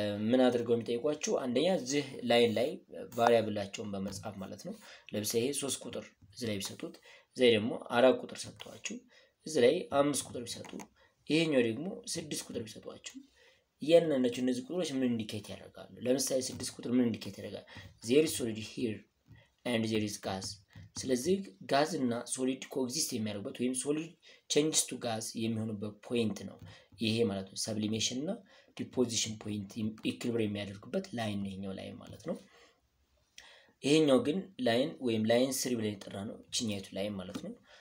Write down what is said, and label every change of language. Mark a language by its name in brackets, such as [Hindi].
[Amharic] ምን አድርገው የሚጠይቋችሁ አንደኛ ዚህ ላይን ላይ ቫሪያብላቸውን በመጻፍ ማለት ነው። ለምሳሌ ይሄ 3 ቁጥር እዚህ ላይ ቢሰጡት እዚህ ደግሞ 4 ቁጥር ሰጥቷችሁ እዚህ ላይ 5 ቁጥር ቢሰጡ ይሄኛው ደግሞ 6 ቁጥር ቢሰጧችሁ የነነቹ እነዚህ ቁጥሮች ምን ኢንዲኬት ያደርጋሉ? ለምሳሌ 6 ቁጥር ምን ኢንዲኬት ያደርጋል? [English] there is solid here and there is gas. [Amharic] ስለዚህ ጋዝ እና ሶሊድ ኮኤግዚስት የሚያደርጉበት ወይም ሶሊድ ቼንጅስ ቱ ጋዝ የሚሆኑበት ፖይንት ነው ይሄ ማለት ነው። ሰብሊሜሽን እና ዲፖዚሽን ፖይንት ኢኩሊብሪየም የሚያደርጉበት ላይን ነው ይሄኛው ላይን ማለት ነው። ይሄኛው ግን ላይን ወይም ላይን 3 ብለን እየጠራነው ቺኛይቱ ላይን ማለት ነው።